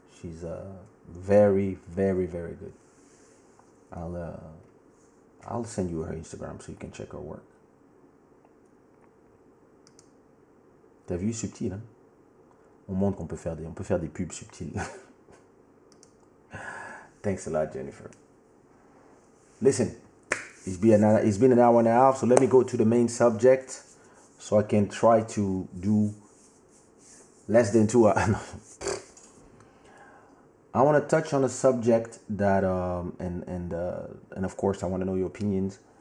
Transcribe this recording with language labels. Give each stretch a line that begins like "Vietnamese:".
English: She's very, very, very good. I'll send you her Instagram so you can check her work.
French: T'as vu subtil, hein? On montre qu'on peut faire des, on peut faire des pubs subtiles.
English: Thanks a lot, Jennifer. Listen, it's been an hour and a half, so let me go to the main subject so I can try to do less than 2 hours. I want to touch on a subject that, and of course, I want to know your opinions.